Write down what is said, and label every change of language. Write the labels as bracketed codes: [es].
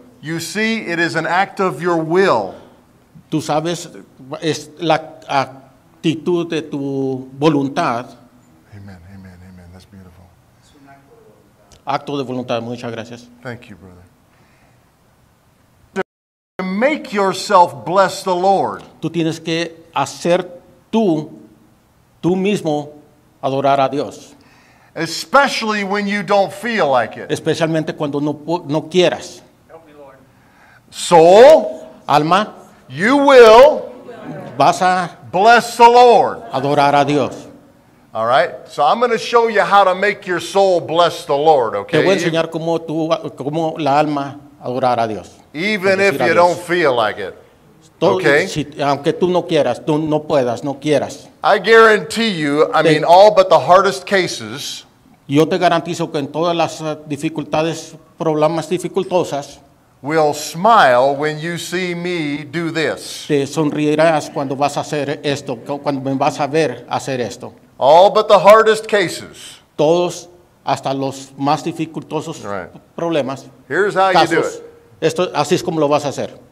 [en] You see, it is an act of your will. [es] Tú sabes, es la actitud de tu voluntad. [en] Amen, amen, amen. That's beautiful. [es] Acto de voluntad. Muchas gracias. [en] Thank you, brother. To make yourself bless the Lord. [es] Tú tienes que hacer tú mismo adorar a Dios. [en] Especially when you don't feel like it. [es] Especialmente cuando no quieras. [en] Soul. [es] Alma. [en] You will [es] vas a [en] bless the Lord. [es] Adorar a Dios. [en] All right. So I'm going to show you how to make your soul bless the Lord, okay? [es] Te voy a enseñar cómo la alma adorar a Dios. [en] Even if you don't feel like it. Okay? [es] Aunque tú no quieras, tú no puedas, no quieras. [en] I guarantee you, I mean all but the hardest cases. [es] Yo te garantizo que en todas las dificultades, problemas dificultosas, [en] will smile when you see me do this. [es] Te sonreirás cuando vas a hacer esto, cuando me vas a ver hacer esto. [en] All but the hardest cases. [es] Todos hasta los más dificultosos problemas. [en] Here's how you do it. [es] Esto así es como lo vas a hacer.